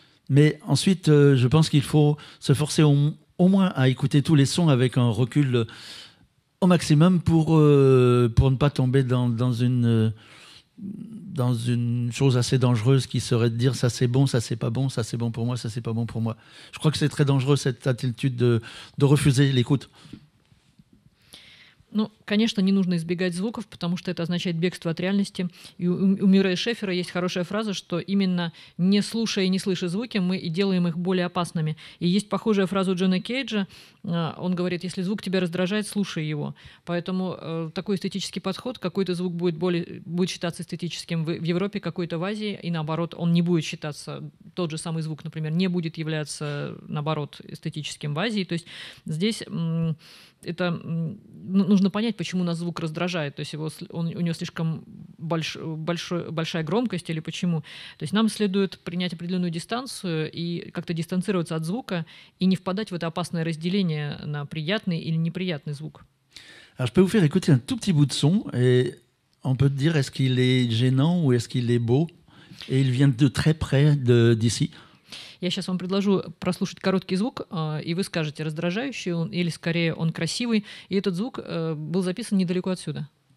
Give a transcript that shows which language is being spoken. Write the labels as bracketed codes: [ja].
[fr] Mais ensuite, je pense qu'il faut se forcer au moins à écouter tous les sons avec un recul au maximum pour ne pas tomber dans une chose assez dangereuse qui serait de dire ça c'est bon, ça c'est pas bon, ça c'est bon pour moi, ça c'est pas bon pour moi. Je crois que c'est très dangereux cette attitude de refuser l'écoute. [ru] Ну, конечно, не нужно избегать звуков, потому что это означает бегство от реальности. И у Мюррея Шефера есть хорошая фраза, что именно не слушая и не слыша звуки, мы и делаем их более опасными. И есть похожая фраза у Джона Кейджа. Он говорит, если звук тебя раздражает, слушай его. Поэтому такой эстетический подход, какой-то звук будет считаться эстетическим в Европе, какой-то в Азии, и наоборот, он не будет считаться, тот же самый звук, например, не будет являться, наоборот, эстетическим в Азии. То есть здесь... Это нужно понять, почему нас звук раздражает, то есть у него слишком большая громкость или почему. То есть нам следует принять определенную дистанцию и как-то дистанцироваться от звука и не впадать в это опасное разделение на приятный или неприятный звук. [fr] Alors, je peux vous faire écouter un tout petit bout de son et on peut dire est-ce qu'il est gênant ou est-ce qu'il est beau et il vient de très près d'ici. [ru] Я сейчас вам предложу прослушать короткий звук, и вы скажете, раздражающий он или скорее он красивый. И этот звук был записан недалеко отсюда.